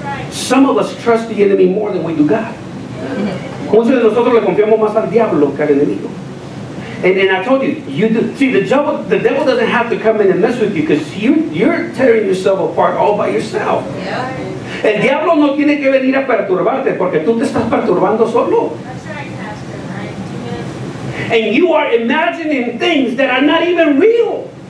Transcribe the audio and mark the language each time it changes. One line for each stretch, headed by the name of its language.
English: Some of us trust the enemy more than we do God.
Spanish: Muchos de nosotros le confiamos más al diablo que al enemigo.
English: And I told you, the devil doesn't have to come in and mess with you because you're tearing yourself apart all by yourself. Yeah.
Spanish: El diablo no tiene que venir a perturbarte porque tú te estás perturbando solo.
English: That's right, Pastor. Right. And you are imagining things that are not even real.